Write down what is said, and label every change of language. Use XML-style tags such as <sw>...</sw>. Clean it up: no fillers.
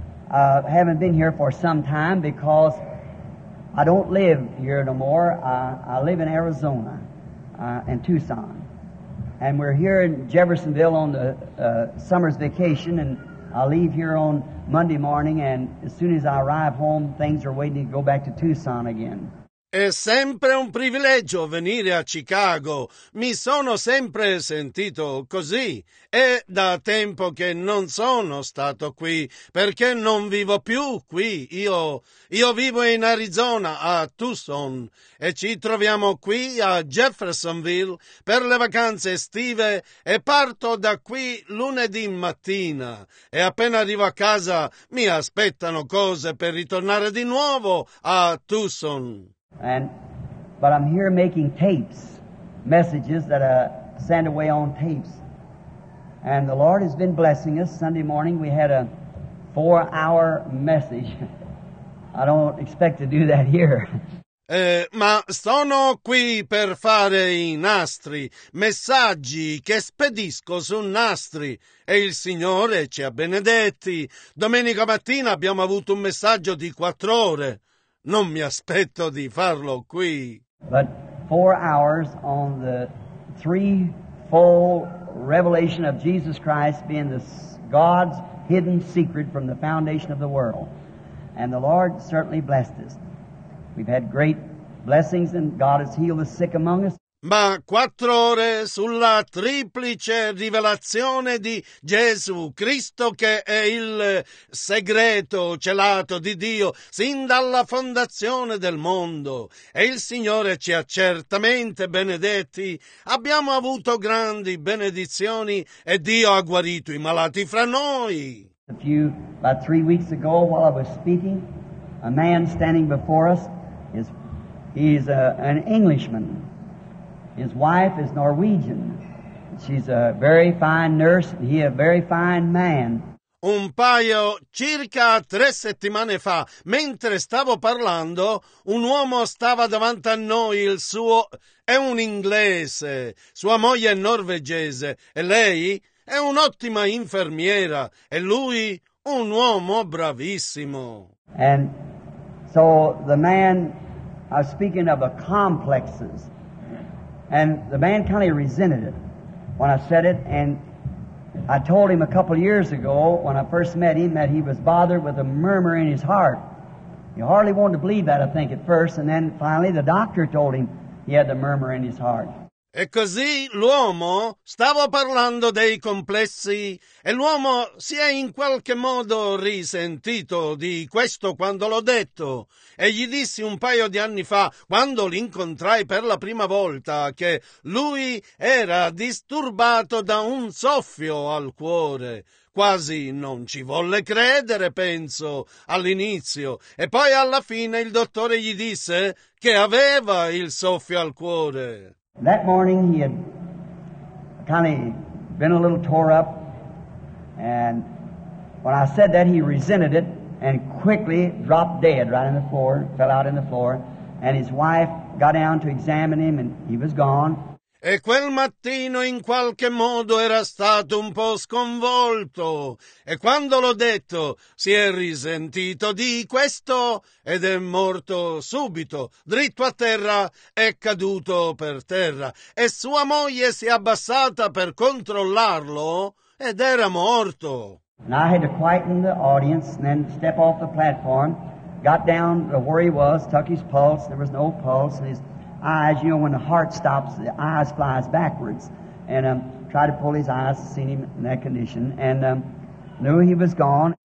<en>I haven't been here for some time because I don't live here no more. I live in Arizona, in Tucson. And we're here in Jeffersonville on the summer's vacation, and I leave here on Monday morning, and as soon as I arrive home, things are waiting to go back to Tucson again.</en> <it>È sempre un privilegio venire a Chicago. Mi sono sempre sentito così. È da tempo che non sono stato qui, perché non vivo più qui. Io vivo in Arizona, a Tucson, e ci troviamo qui a Jeffersonville per le vacanze estive e parto da qui lunedì mattina. E appena arrivo a casa mi aspettano cose per ritornare di nuovo a Tucson.</it> <en>But I'm here making tapes, messages that I send away on tapes. And the Lord has been blessing us. Sunday morning we had a 4-hour message. I don't expect to do that here.</en> <it>Ma sono qui per fare i nastri, messaggi che spedisco su nastri, e il Signore ci ha benedetti. Domenica mattina abbiamo avuto un messaggio di 4 ore. Non mi aspetto di farlo qui.</it> <en>But 4 hours on the threefold revelation of Jesus Christ being the God's hidden secret from the foundation of the world. And the Lord certainly blessed us. We've had great blessings and God has healed the sick among us.</en> <it>Ma 4 ore sulla triplice rivelazione di Gesù Cristo, che è il segreto celato di Dio sin dalla fondazione del mondo. E il Signore ci ha certamente benedetti. Abbiamo avuto grandi benedizioni e Dio ha guarito i malati fra noi.</it> <en>About 3 weeks ago, while I was speaking, a man standing before us, he's an Englishman. His wife is Norwegian. She's a very fine nurse and he a very fine man.</en> <it>Un paio, circa 3 settimane fa, mentre stavo parlando, un uomo stava davanti a noi, il suo è un inglese, sua moglie è norvegese e lei è un'ottima infermiera e lui un uomo bravissimo.</it> <en>And so the man, I was speaking of a complexes. And the man kind of resented it when I said it, and I told him a couple of years ago when I first met him that he was bothered with a murmur in his heart. He hardly wanted to believe that, I think, at first, and then finally the doctor told him he had the murmur in his heart.</en> <it>E così l'uomo stava parlando dei complessi e l'uomo si è in qualche modo risentito di questo quando l'ho detto. E gli dissi un paio di anni fa, quando l'incontrai per la prima volta, che lui era disturbato da un soffio al cuore. Quasi non ci volle credere, penso, all'inizio. E poi alla fine il dottore gli disse che aveva il soffio al cuore.</it> <en>That morning he had kind of been a little tore up, and when I said that he resented it and quickly dropped dead right on the floor, fell out on the floor, and his wife got down to examine him and he was gone.</en> <it>E quel mattino in qualche modo era stato un po' sconvolto, e quando l'ho detto si è risentito di questo ed è morto subito, dritto a terra, è caduto per terra, e sua moglie si è abbassata per controllarlo ed era morto.</it> <en>And I had to quieten the audience and then step off the platform, got down to where he was, took his pulse, there was no pulse, and his eyes, you know, when the heart stops, the eyes flies backwards, and try to pull his eyes, see him in that condition, and knew he was gone.</en>